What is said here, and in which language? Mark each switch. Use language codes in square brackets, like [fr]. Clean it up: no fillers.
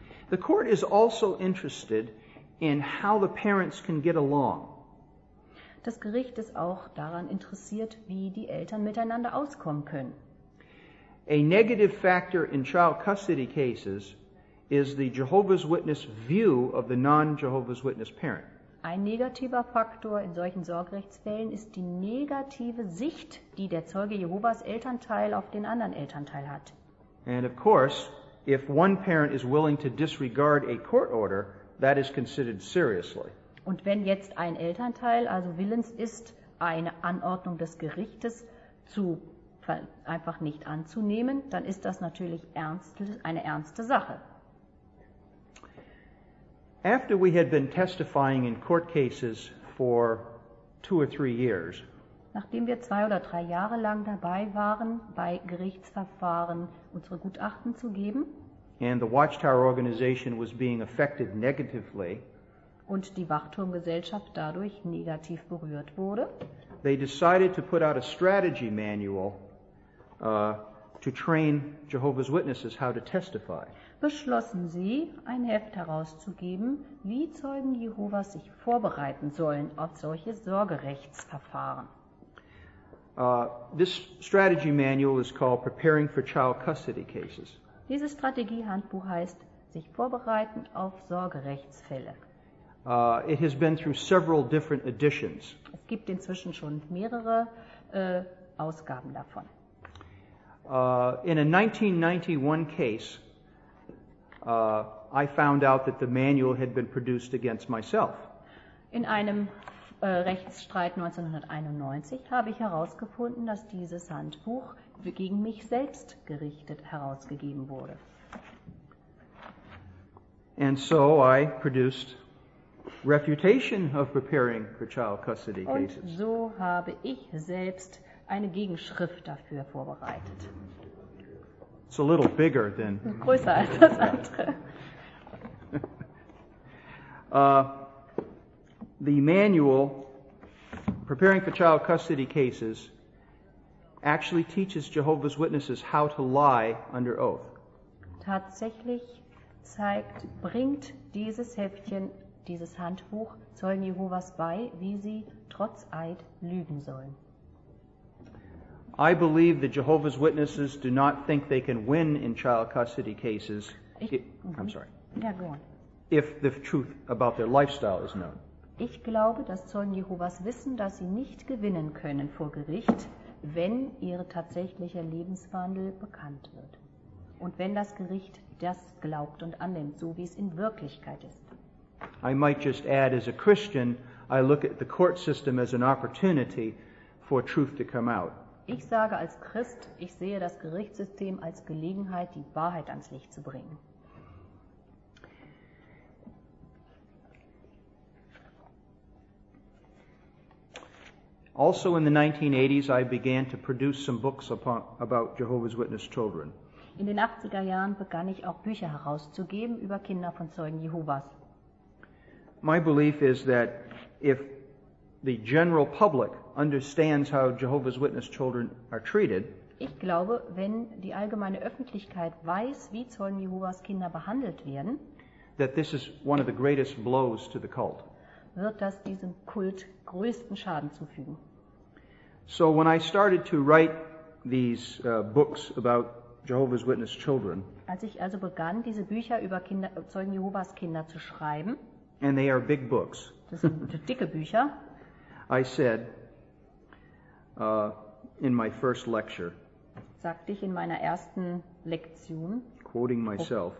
[en] The court is also interested in how the parents can get along. [de] Das Gericht ist auch daran interessiert, wie die Eltern miteinander auskommen können. [en] A negative factor in child custody cases is the Jehovah's Witness view of the non-Jehovah's Witness parent. [de] Ein negativer Faktor in solchen Sorgerechtsfällen ist die negative Sicht, die der Zeuge Jehovas Elternteil auf den anderen Elternteil hat. [en] And of course, if one parent is willing to disregard a court order, that is considered seriously. [de] Und wenn jetzt ein Elternteil also willens ist, eine Anordnung des Gerichtes zu einfach nicht anzunehmen, dann ist das natürlich eine ernste Sache. [en] After we had been testifying in court cases for 2 or 3 years, [de] nachdem wir 2 oder 3 Jahre lang dabei waren, bei Gerichtsverfahren unsere Gutachten zu geben, [en] and the Watchtower organization was being affected negatively, [de] und die Wachturmgesellschaft dadurch negativ berührt wurde, [en] they decided to put out a strategy manual to train Jehovah's Witnesses how to testify. [de] Beschlossen sie, ein Heft herauszugeben, wie Zeugen Jehovas sich vorbereiten sollen auf solche Sorgerechtsverfahren. [en] This strategy manual is called Preparing for Child Custody Cases. [de] Dieses Strategiehandbuch heißt sich vorbereiten auf Sorgerechtsfälle. [en] It has been through several different editions. [de] Es gibt inzwischen schon mehrere Ausgaben davon. [en] In a 1991 case, I found out that the manual had been produced against myself. [de] In einem Rechtsstreit 1991 habe ich herausgefunden, dass dieses Handbuch gegen mich selbst gerichtet herausgegeben wurde. [en] And so I produced refutation of preparing for child custody cases. [de] Und so habe ich selbst eine Gegenschrift dafür vorbereitet. [en] It's a little bigger than [de] größer als das andere. [en] The manual Preparing for Child Custody Cases actually teaches Jehovah's Witnesses how to lie under oath. [de] Tatsächlich bringt dieses Heftchen, dieses Handbuch, Zeugen Jehovas bei, wie sie trotz Eid lügen sollen. [en] I believe the Jehovah's Witnesses do not think they can win in child custody cases. Yeah, go on. If the truth about their lifestyle is known. [de] Ich glaube, dass Zeugen Jehovas wissen, dass sie nicht gewinnen können vor Gericht, wenn ihr tatsächlicher Lebenswandel bekannt wird. Und wenn das Gericht das glaubt und annimmt, so wie es in Wirklichkeit ist. [en] I might just add, as a Christian, I look at the court system as an opportunity for truth to come out. [de] Ich sage als Christ, ich sehe das Gerichtssystem als Gelegenheit, die Wahrheit ans Licht zu bringen. [en] Also in the 1980s I began to produce some books about Jehovah's Witness children. [de] In den 80er Jahren begann ich auch Bücher herauszugeben über Kinder von Zeugen Jehovas. [en] My belief is that if the general public understands how Jehovah's Witness children are treated, [de] ich glaube, wenn die allgemeine Öffentlichkeit weiß, wie Zeugen Jehovas Kinder behandelt werden, [en] that this is one of the greatest blows to the cult. [de] Wird das diesem Kult größten Schaden zufügen. [en] So when I started to write these books about Jehovah's Witness children, [de] als ich also begann, diese Bücher über Kinder, Zeugen Jehovas Kinder zu schreiben, [en] and they are big books, [de] das sind dicke Bücher, [en] I said in my first lecture, [de] sagte ich in meiner ersten Lektion, [en] quoting myself,